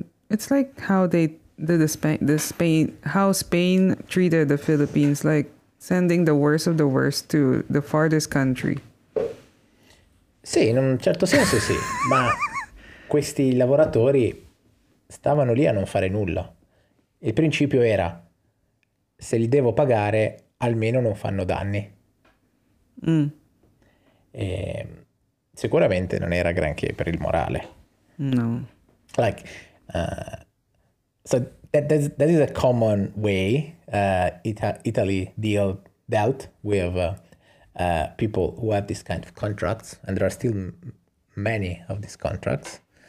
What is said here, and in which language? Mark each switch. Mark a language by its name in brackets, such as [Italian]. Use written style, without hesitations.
[English] It's like how they did the Spain, how Spain treated the Philippines, like sending the worst of the worst to the farthest country. [Italian] Sì, in un certo senso sì, ma questi lavoratori stavano lì a non fare nulla. Il principio era, se li devo pagare, almeno non fanno danni. E sicuramente non era granché per il morale. No. [English] So that is a common way Italy dealt with people who have this kind of contracts, and there are still many of these contracts.